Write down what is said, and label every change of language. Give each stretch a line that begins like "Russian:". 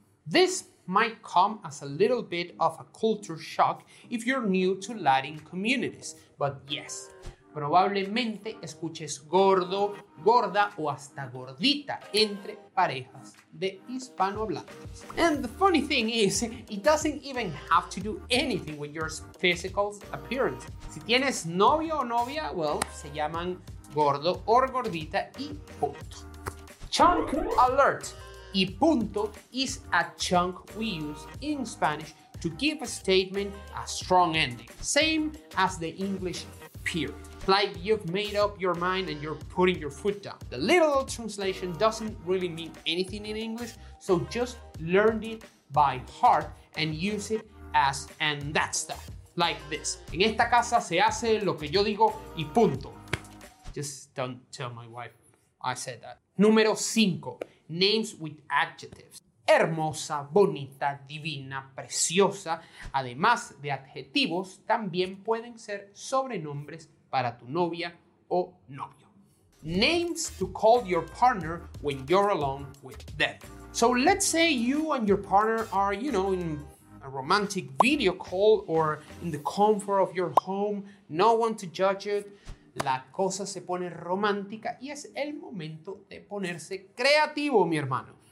English: This might come as a little bit of a culture shock if you're new to Latin communities, but yes,
Spanish: probablemente escuches gordo, gorda o hasta gordita entre parejas de hispanohablantes.
English: And the funny thing is, it doesn't even have to do anything with your physical appearance.
Spanish: Si tienes novio o novia,
English: well,
Spanish: se llaman gordo o gordita y punto.
English: Chunk alert. Y punto is a chunk we use in Spanish to give a statement a strong ending. Same as the English period. Like you've made up your mind and you're putting your foot down. The literal translation doesn't really mean anything in English, so just learn it by heart and use it as and that's that. Like this.
Spanish: En esta casa se hace lo que yo digo y punto.
English: Just don't tell my wife I said that. Número 5. Names with adjectives. Hermosa, bonita, divina, preciosa.
Spanish: Además de adjetivos, también pueden ser sobrenombres para tu novia o novio.
English: Names to call your partner when you're alone with them. So let's say you and your partner are, you know, in a romantic video call or in the comfort of your home, no one to judge it.
Spanish: La cosa se pone romántica y es el momento de ponerse creativo, mi hermano.